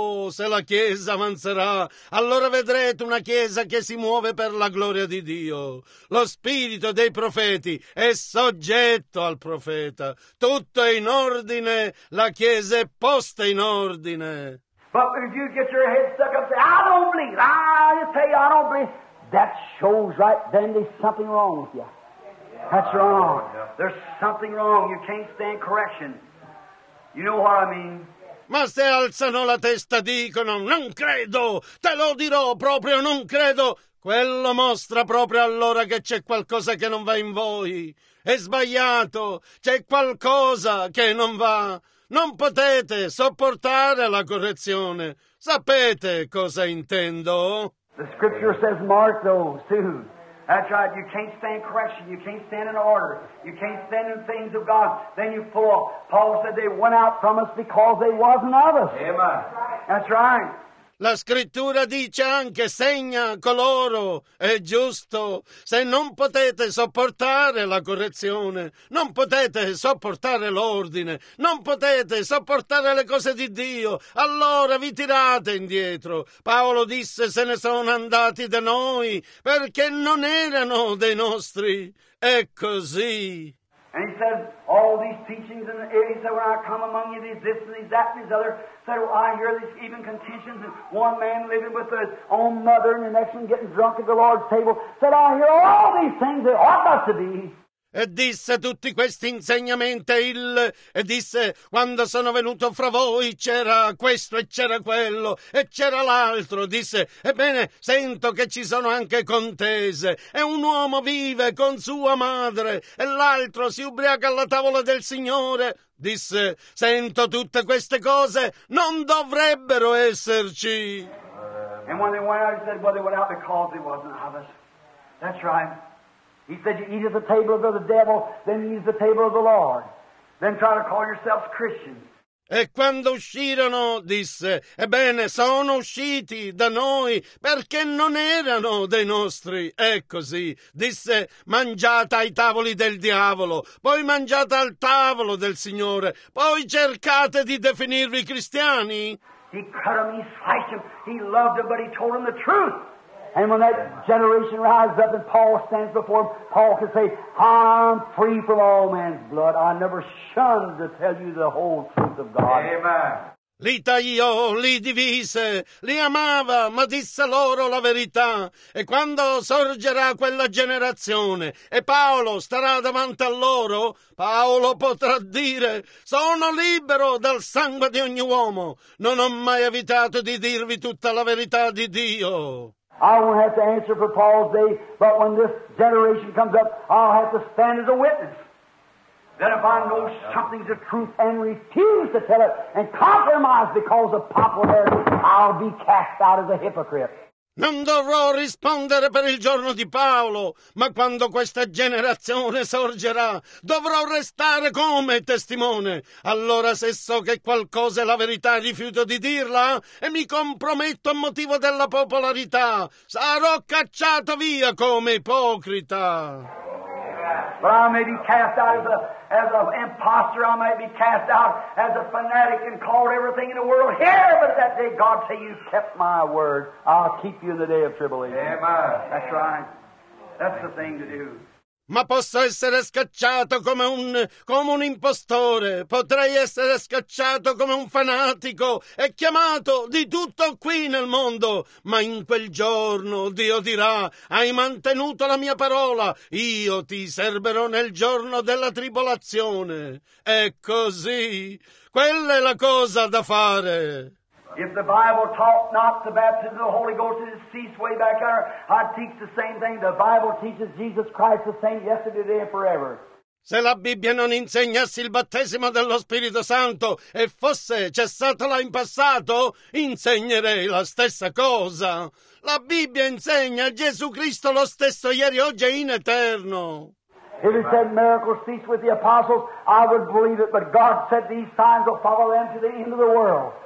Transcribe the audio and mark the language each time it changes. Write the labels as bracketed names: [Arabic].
[Italian] se la Chiesa avanzerà, allora vedrete una Chiesa che si muove per la gloria di Dio. Lo spirito dei profeti è soggetto al profeta. Tutto è in ordine, la Chiesa è posta in ordine. [English] But if you get your head stuck up, say, I don't believe. I just tell you, I don't believe. That shows right then there's something wrong with you. That's wrong. Yeah. There's something wrong. You can't stand correction. You know what I mean? [Italian] Ma se alzano la testa, dicono, non credo, te lo dirò proprio, non credo. Quello mostra proprio allora che c'è qualcosa che non va in voi. È sbagliato, c'è qualcosa che non va. Non potete sopportare la correzione. Sapete cosa intendo? [English] The scripture says mark those too. That's right. You can't stand correction. You can't stand in order. You can't stand in things of God. Then you fall. Paul said they went out from us because they wasn't of us. Amen. That's right. [Italian] La scrittura dice anche, segna coloro, è giusto, se non potete sopportare la correzione, non potete sopportare l'ordine, non potete sopportare le cose di Dio, allora vi tirate indietro. Paolo disse, se ne sono andati da noi, perché non erano dei nostri, è così. [English] And he said, all these teachings, and he said, when I come among you, these this and these that and these other, said, well, I hear these even contentions, and one man living with his own mother, and the next one getting drunk at the Lord's table, said, I hear all these things, they ought not to be. [Italian] E disse tutti questi insegnamenti, e disse, quando sono venuto fra voi c'era questo e c'era quello e c'era l'altro, disse, ebbene, sento che ci sono anche contese, e un uomo vive con sua madre, e l'altro si ubriaca alla tavola del Signore, disse, sento tutte queste cose, non dovrebbero esserci. [English] And when they went out, he said, well, they went out because they wasn't of us. That's right. He said, you eat at the table of the devil, then eat at the table of the Lord. Then try to call yourselves Christians. [Italian] E quando uscirono, disse, ebbene, sono usciti da noi perché non erano dei nostri. È così. Disse, mangiate ai tavoli del diavolo, poi mangiate al tavolo del Signore, poi cercate di definirvi cristiani. [English] He cut them, he sliced them, he loved them, but he told them the truth. And when that generation rises up and Paul stands before him, Paul can say, I'm free from all man's blood. I never shunned to tell you the whole truth of God. Amen. [Italian] Li tagliò, li divise, li amava, ma disse loro la verità. E quando sorgerà quella generazione e Paolo starà davanti a loro, Paolo potrà dire, sono libero dal sangue di ogni uomo. Non ho mai evitato di dirvi tutta la verità di Dio. [English] I won't have to answer for Paul's day, but when this generation comes up, I'll have to stand as a witness. That if I know something's the truth and refuse to tell it and compromise because of popularity, I'll be cast out as a hypocrite. [Italian] Non dovrò rispondere per il giorno di Paolo, ma quando questa generazione sorgerà, dovrò restare come testimone. Allora se so che qualcosa è la verità, rifiuto di dirla e mi comprometto a motivo della popolarità, sarò cacciato via come ipocrita. [English] But I may be cast out as an impostor, I may be cast out as a fanatic and called everything in the world here, but that day God say, you kept my word, I'll keep you in the day of tribulation. Amen. That's right. That's the thing to do. [Italian] Ma posso essere scacciato come un impostore, potrei essere scacciato come un fanatico e chiamato di tutto qui nel mondo, ma in quel giorno Dio dirà, hai mantenuto la mia parola, io ti serverò nel giorno della tribolazione. È così, quella è la cosa da fare. [English] If the Bible taught not the baptism of the Holy Ghost, it ceased way back there. I teach the same thing. The Bible teaches Jesus Christ the same yesterday, today, and forever. [Italian] Se la Bibbia non insegnasse il battesimo dello Spirito Santo e fosse cessata là in passato, insegnerei la stessa cosa. La Bibbia insegna Gesù Cristo lo stesso ieri, oggi e in eterno. [English] If he said miracles cease with the apostles, I would believe it, but God said these signs will follow them to the end of the world.